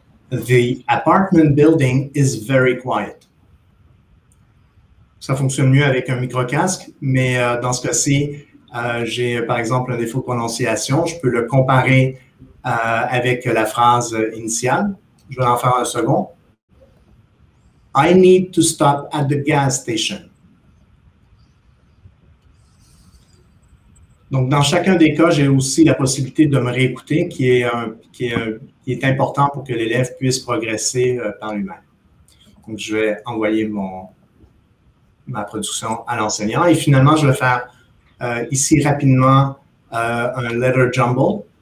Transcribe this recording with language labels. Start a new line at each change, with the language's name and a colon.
English: The apartment building is very quiet.
French: Ça fonctionne mieux avec un micro-casque, mais dans ce cas-ci, j'ai par exemple un défaut de prononciation. Je peux le comparer avec la phrase initiale. Je vais en faire un second.
English: I need to stop at the gas station.
French: Donc, dans chacun des cas, j'ai aussi la possibilité de me réécouter qui est important pour que l'élève puisse progresser par lui-même. Donc, je vais envoyer ma production à l'enseignant. Et finalement, je vais faire ici rapidement un letter jumble.